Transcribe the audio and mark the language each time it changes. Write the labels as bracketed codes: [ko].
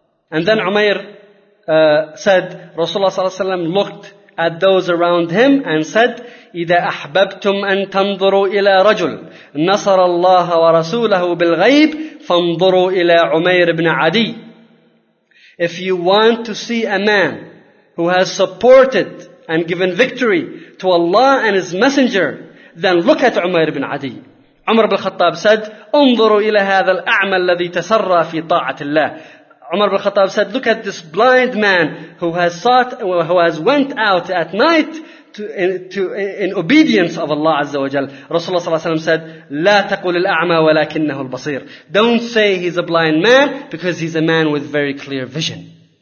[en] And then Umayr said, Rasulullah sallallahu alaihi wasallam looked at those around him and said, [ar] إِذَا أَحْبَبْتُمْ أَن تَنْظُرُوا إِلَىٰ رَجُلٍ نَصَرَ اللَّهَ وَرَسُولَهُ بِالْغَيْبِ فَانْظُرُوا إِلَىٰ عُمَيْرِ بْنَ عَدِيٍ. [en] If you want to see a man who has supported and given victory to Allah and His Messenger, then look at Umayr ibn Adi. [ar] Umar ibn Khattab [en] said, [ar] انظروا إلى هذا الأعمى الذي تسرى في طاعة الله. [en] Umar ibn Khattab said, look at this blind man who has sought, who has went out at night in obedience of Allah Azza wa Jal. [ar] Rasulullah sallallahu alayhi wa sallam [en] said, [ar] لا تقول الأعمى ولكنه البصير. [en] Don't say he's a blind man because he's a man with very clear vision.